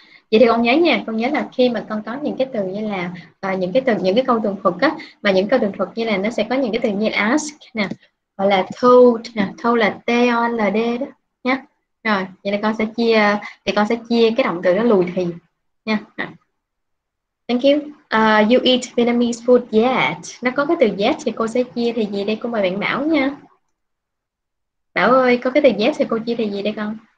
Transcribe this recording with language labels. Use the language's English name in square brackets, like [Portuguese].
[Vietnamese] Vậy thì con nhớ nha, con nhớ là khi mà con có những cái từ như là những cái câu tường thuật á, mà những câu tường thuật như là nó sẽ có những cái từ như là ask nè, hoặc là told nè, told là T-O-L-D đó nha. Rồi, vậy là con sẽ chia cái động từ đó lùi thì nha. [English] Thank you. You eat Vietnamese food yet? [Vietnamese] Nó có cái từ yet thì cô sẽ chia thì gì đây? Cô mời bạn Bảo nha. Bảo ơi, có cái từ yet thì cô chia thì gì đây con?